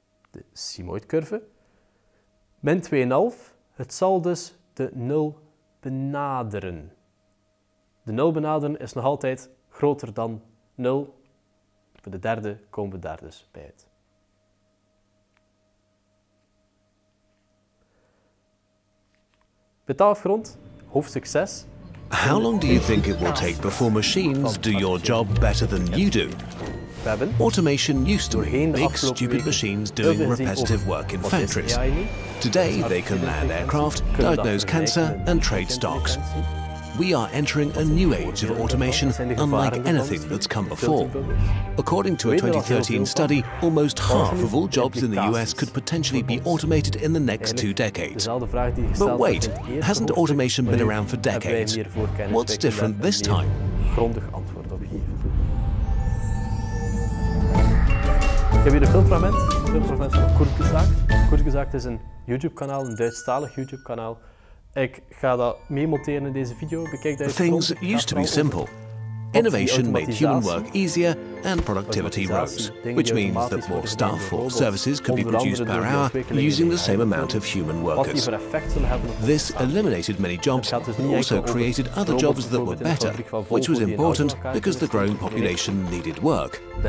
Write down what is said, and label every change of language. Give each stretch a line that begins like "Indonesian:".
Dutch: De sigmoid curve, min 2,5, het zal dus de 0 benaderen. De 0 benaderen is nog altijd groter dan 0. Voor de derde komen we daar dus bij uit. Met afgerond, hoofdstuk 6.
English: How long do you think it will take before machines do your job better than you do? Automation used to make stupid machines doing repetitive work in factories. Today they can land aircraft, diagnose cancer and trade stocks. We are entering a new age of automation unlike anything that's come before. According to a 2013 study, almost half of all jobs in the US could potentially be automated in the next 2 decades. But wait, hasn't automation been around for decades? What's different this time?
Dutch: Grondig antwoord op hier. Ik heb hier een filmfragment. Filmfragment van Kurt Gezaakt. Kurt Gezaakt is een YouTube-kanaal, een Duitsstalig YouTube-kanaal. Ik ga dat meemonteren in deze video. Bekijk dat.
English: Things used to be simple. Innovation made human work easier and productivity rose, which means that more stuff or services could be produced per hour using the same amount of human workers. This eliminated many jobs and also created other jobs that were better, which was important because the growing population needed work.